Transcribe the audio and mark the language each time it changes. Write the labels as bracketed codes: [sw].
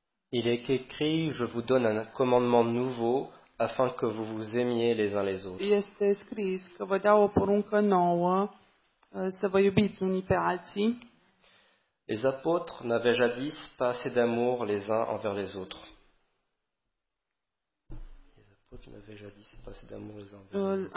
[fr] Il est écrit, je vous donne un commandement nouveau, afin que vous vous aimiez les uns les autres. [ro] Este scris că vă dau o poruncă nouă, să vă iubiți unii pe alții. [fr] Les apôtres n'avaient jadis pas assez d'amour les uns envers les autres. Les apôtres n'avaient jadis pas assez d'amour les uns envers les autres.